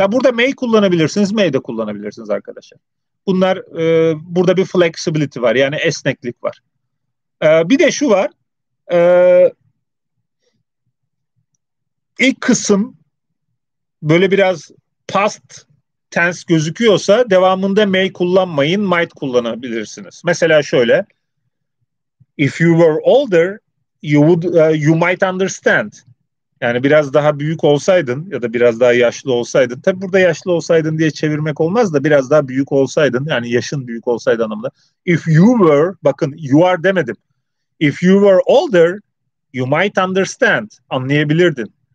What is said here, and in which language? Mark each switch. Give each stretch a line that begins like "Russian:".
Turkish: Ha, burada may kullanabilirsiniz, may de kullanabilirsiniz arkadaşlar. Bunlar burada bir flexibility var, yani esneklik var. Bir de şu var. İlk kısım böyle biraz past tense gözüküyorsa devamında may kullanmayın, might kullanabilirsiniz. Mesela şöyle:
English: If you were older, you might understand.
Turkish: Yani biraz daha büyük olsaydın ya da biraz daha yaşlı olsaydın. Tabi burada yaşlı olsaydın diye çevirmek olmaz da, biraz daha büyük olsaydın, yani yaşın büyük olsaydı anlamında.
English: If you were,
Turkish: bakın
English: you are
Turkish: demedim.
English: If you were older, you might understand.
Turkish: Anlayabilirdin.